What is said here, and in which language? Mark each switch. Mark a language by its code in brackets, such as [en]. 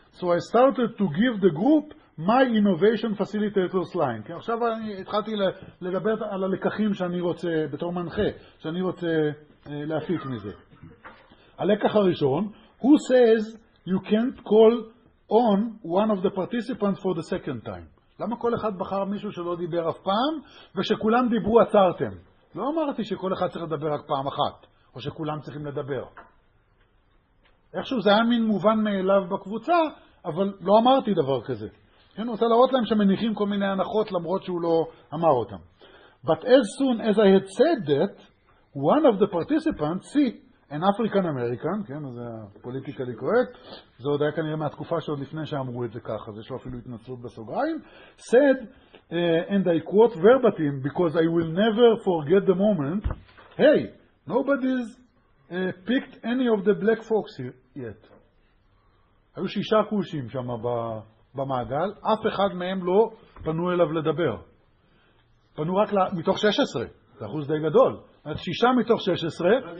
[en] So I started to give the group my innovation facilitator's line. [he] כן, עכשיו אני התחלתי לדבר על הלקחים שאני רוצה, בתור מנחה, שאני רוצה להפיק מזה. הלקח הראשון, [en] who says you can't call on one of the participants for the second time? [he] למה כל אחד בחר מישהו שלא דיבר אף פעם, ושכולם דיברו עצרתם? לא אמרתי שכל אחד צריך לדבר רק פעם אחת, או שכולם צריכים לדבר. איכשהו זה היה מין מובן מאליו בקבוצה, אבל לא אמרתי דבר כזה. אני רוצה להראות להם שמניחים כל מיני הנחות למרות שהוא לא אמר אותם. [en] But as soon as I had said that, one of the participants, see, an African-American, [he] כן, זה הפוליטיקלי קורקט, זה עוד היה כנראה מהתקופה שעוד לפני שאמרו את זה ככה, זה שהוא אפילו התנצלות בסוגריים, [en] said, and I quote verbatim, because I will never forget the moment, hey, nobody's picked any of the black folks yet. [he] היו שישה כושים שם במעגל, אף אחד מהם לא פנו אליו לדבר. פנו רק מתוך 16, זה אחוז די גדול. את שישה מתוך 16.